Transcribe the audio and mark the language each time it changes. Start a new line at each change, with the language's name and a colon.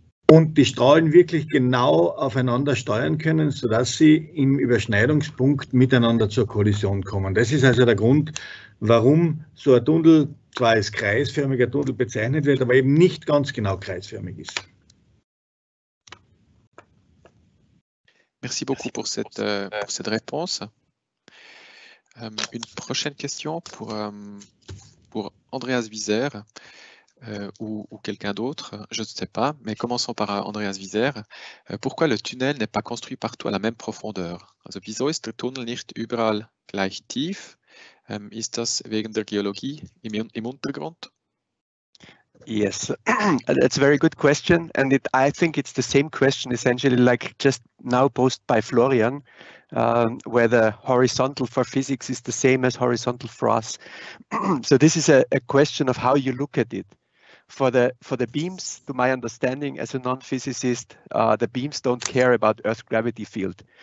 German: und die Strahlen wirklich genau aufeinander steuern können, sodass sie im Überschneidungspunkt miteinander zur Kollision kommen. Das ist also der Grund, warum so ein Tunnel zwar als kreisförmiger Tunnel bezeichnet wird, aber eben nicht ganz genau kreisförmig ist.
French: Merci beaucoup pour cette réponse. Une prochaine question pour Andreas Wieser ou quelqu'un d'autre, je ne sais pas, mais commençons par Andreas Wieser. Pourquoi le tunnel n'est pas construit partout à la même profondeur?
German: Also, wieso ist der Tunnel nicht überall gleich tief? Ist das wegen der Geologie im Untergrund?
English: Yes, that's a very good question. And it, I think it's the same question essentially like just now posed by Florian, whether horizontal for physics is the same as horizontal for us. So this is a question of how you look at it. For the beams, to my understanding as a non-physicist, the beams don't care about Earth's gravity field.